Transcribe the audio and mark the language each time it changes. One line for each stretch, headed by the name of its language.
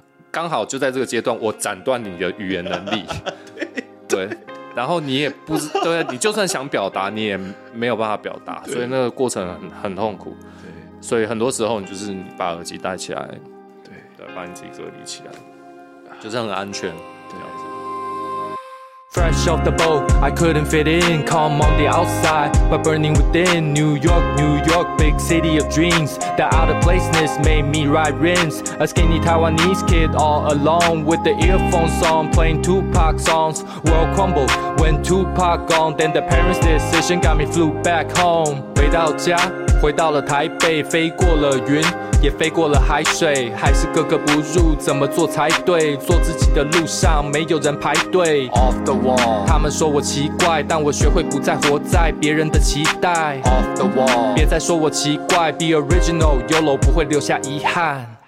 Chinese: 刚好就在这个阶段，我斩断你的语言能力，对，然后你也不是，对，你就算想表达，你也没有办法表达，所以那个过程 很痛苦，对，所以很多时候你就是你把耳机戴起来，对，对，把你自己隔离起来，就是很安全，对。
English: Fresh off the boat, I couldn't fit in. Calm on the outside, but burning within. New York, New York, big city of dreams. The out of placeness made me ride rims. A skinny Taiwanese kid all alone with the earphones on, playing Tupac songs. World crumbled when Tupac gone. Then the parents' decision got me flew back home.
Chinese: 回到家，回到了台北，飞过了云。也飞过了海水，还是格格不入，怎么做才对？做自己的路上没有人排队。
English: Off the wall，
Chinese: 他们说我奇怪，但我学会不再活在别人的期待。
English: Off the wall，
Chinese: 别再说我奇怪 ，
English: Be original， YOLO
Chinese: 不会留下遗憾。